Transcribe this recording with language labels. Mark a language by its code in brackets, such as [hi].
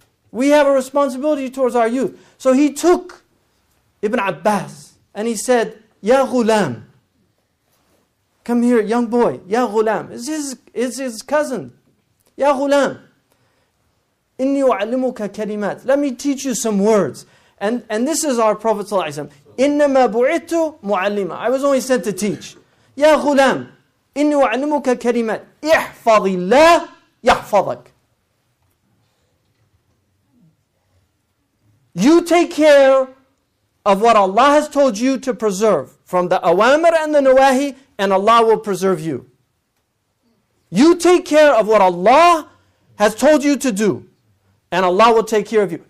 [en] We have a responsibility towards our youth. So he took Ibn Abbas and he said, Ya Ghulam. Come here, young boy. Ya Ghulam. It's his cousin. [ar] Ya Ghulam, إِنِّي أُعَلِّمُكَ كَلِمَاتٍ. [en] Let me teach you some words. And this is our Prophet ﷺ. [ar] إِنَّمَا بُعِتُ مُعَلِّمًا. [en] I was only sent to teach. Ya Ghulam, [ar] إني أعلمك كلمات احفظ الله يحفظك. [en] You take care of what Allah has told you to preserve from the awamir and the nawahi, and Allah will preserve you. You take care of what Allah has told you to do, and Allah will take care of you.